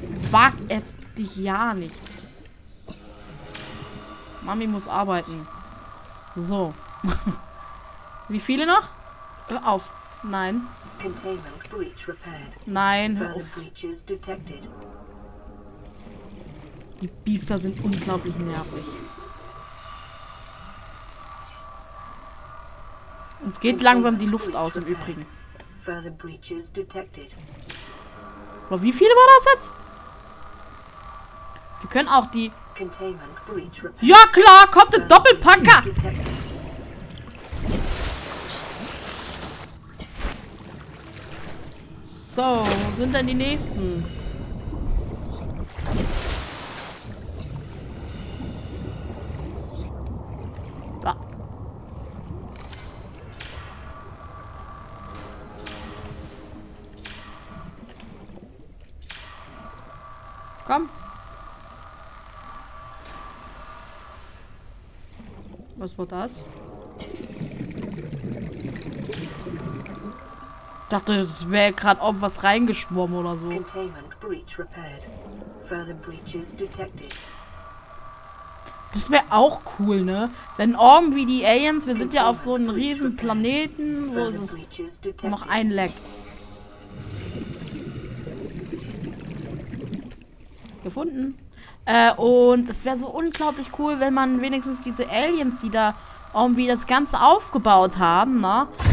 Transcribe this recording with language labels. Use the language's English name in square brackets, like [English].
[German] Wag es dich ja nicht. Mami muss arbeiten. So. Wie viele noch? Hör auf. Nein. [English] Containment breach repaired. [German] Nein. [English] Further breaches detected. [German] Die Biester sind unglaublich nervig. Uns geht langsam die Luft aus im Übrigen. [English] Further breaches detected. [German] Aber wie viele war das jetzt? Wir können auch die... [English] Containment breach repaired. [German] Ja klar, kommt ein Doppelpacker! So, wo sind denn die nächsten? Da. Komm. Was war das? Ich dachte, es wäre gerade irgendwas reingeschwommen oder so. [English] Containment breach repaired. Further breaches detected. [German] Das wäre auch cool, ne? Wenn irgendwie die Aliens, wir sind ja auf so einem riesen Planeten, so ist es noch ein Lag. Gefunden. Und es wäre so unglaublich cool, wenn man wenigstens diese Aliens, die da irgendwie das Ganze aufgebaut haben, ne?